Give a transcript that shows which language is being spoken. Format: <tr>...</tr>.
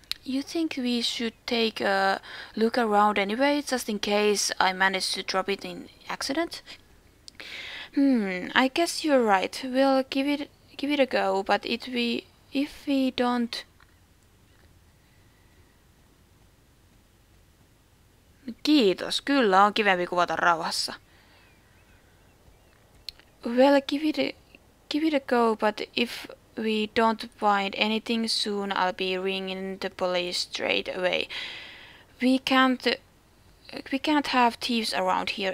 <en>You think we should take a look around anyway, just in case I manage to drop it in accident? I guess you're right. We'll give it a go, but if we don't...</en> <fi>Kiitos, kyllä on kivempi kuvata rauhassa.</fi> <en>Well, give it a go, but if we don't find anything soon, I'll be ringing the police straight away. We can't have thieves around here.</en>